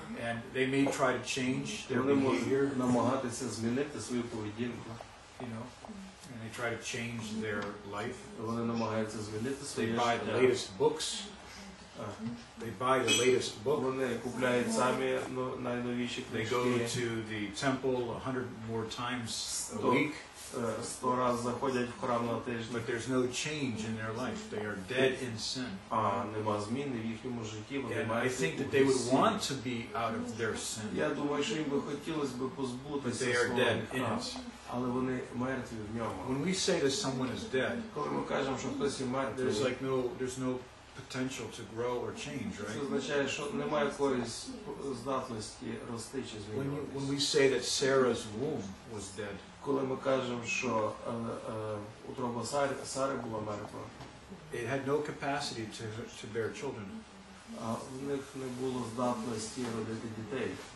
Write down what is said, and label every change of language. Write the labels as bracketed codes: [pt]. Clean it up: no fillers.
[en] And they may try to change their behavior. [uk] Вони можуть намагатися змінити свою поведінку. [en] You know, and they try to change their life. [uk] Вони намагаються змінити своє життя. [en] They buy the latest books. They buy the latest book. [uk] Вони купляють самі найновіші книжки. [en] They go to the temple 100 more times a week. [uk] 100 раз заходять в храм на тиждень. [en] But there's no change in their life. They are dead in sin. [uk] А нема змін в їхньому житті. Вони мають. [en] I think that they would want to be out of their sin. [uk] Я думаю, що їм би хотілось би позбутися. [en] But they are dead in it. [uk] Але вони мертві в ньому. [en] When we say that someone is dead, [uk] коли ми кажемо, що хтось є мертвий, [en] there's like no, there's no potential to grow or change, right? [uk] Це означає, що немає якоїсь здатності рости чи змінюватися. [en] When we say that Sarah's womb was dead, [uk] коли ми кажемо, що утроба Сари була мертва, [en] it had no capacity to bear children. [uk] В них не було здатності родити дітей.